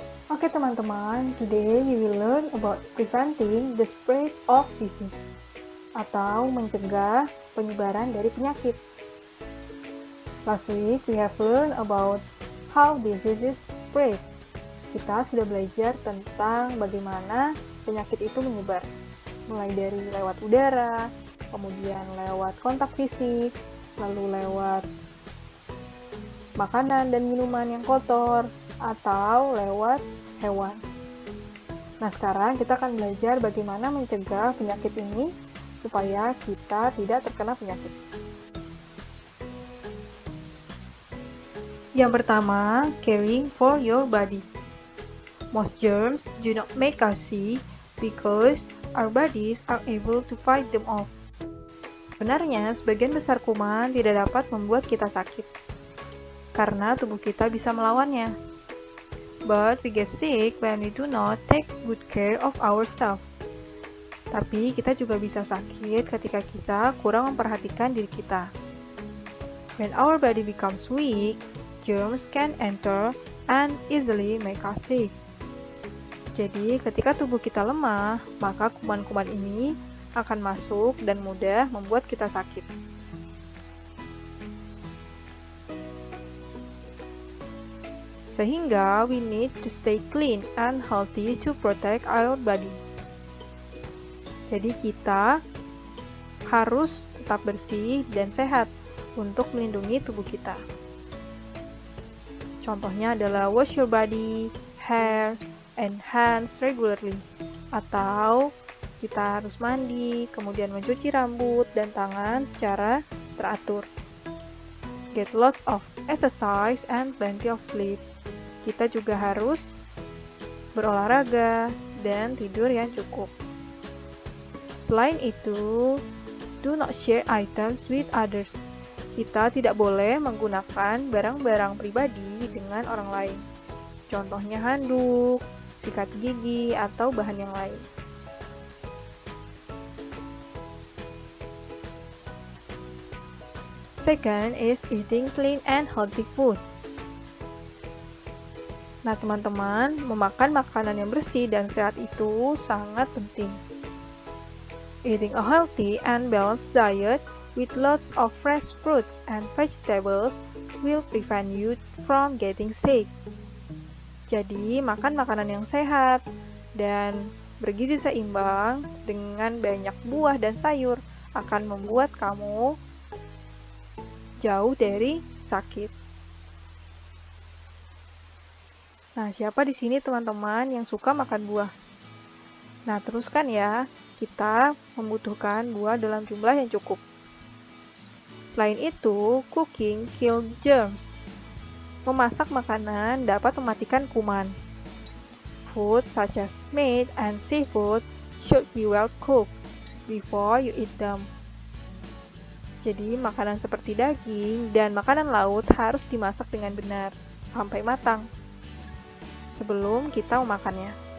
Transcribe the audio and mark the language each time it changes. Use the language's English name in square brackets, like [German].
[Indonesian] Oke teman-teman, [English] today we will learn about preventing the spread of disease [Indonesian] atau mencegah penyebaran dari penyakit. [English] Last week we have learned about how diseases spread. [Indonesian] Kita sudah belajar tentang bagaimana penyakit itu menyebar, mulai dari lewat udara, kemudian lewat kontak fisik, lalu lewat makanan dan minuman yang kotor, atau lewat hewan. Nah, sekarang kita akan belajar bagaimana mencegah penyakit ini supaya kita tidak terkena penyakit. Yang pertama, [English] caring for your body. Most germs do not make us sick because our bodies are able to fight them off. [Indonesian] Sebenarnya, sebagian besar kuman tidak dapat membuat kita sakit karena tubuh kita bisa melawannya. [English] But we get sick when we do not take good care of ourselves. [Indonesian] Tapi kita juga bisa sakit ketika kita kurang memperhatikan diri kita. [English] When our body becomes weak, germs can enter and easily make us sick. [Indonesian] Jadi ketika tubuh kita lemah, maka kuman-kuman ini akan masuk dan mudah membuat kita sakit. [English] Sehingga we need to stay clean and healthy to protect our body. [Indonesian] Jadi kita harus tetap bersih dan sehat untuk melindungi tubuh kita. Contohnya adalah [English] wash your body, hair, and hands regularly. [Indonesian] Atau kita harus mandi, kemudian mencuci rambut dan tangan secara teratur. [English] Get lots of exercise and plenty of sleep. [Indonesian] Kita juga harus berolahraga dan tidur yang cukup. Selain itu, [English] do not share items with others. [Indonesian] Kita tidak boleh menggunakan barang-barang pribadi dengan orang lain. Contohnya handuk, sikat gigi, atau bahan yang lain. [English] Second is eating clean and healthy food. [Indonesian] Nah, teman-teman, memakan makanan yang bersih dan sehat itu sangat penting. [English] Eating a healthy and balanced diet with lots of fresh fruits and vegetables will prevent you from getting sick. [Indonesian] Jadi, makan makanan yang sehat dan bergizi seimbang dengan banyak buah dan sayur akan membuat kamu jauh dari sakit. Nah, siapa di sini teman-teman yang suka makan buah? Nah, teruskan ya. Kita membutuhkan buah dalam jumlah yang cukup. Selain itu, [English] cooking kills germs. [Indonesian] Memasak makanan dapat mematikan kuman. [English] Food such as meat and seafood should be well cooked before you eat them. [Indonesian] Jadi, makanan seperti daging dan makanan laut harus dimasak dengan benar sampai matang sebelum kita memakannya.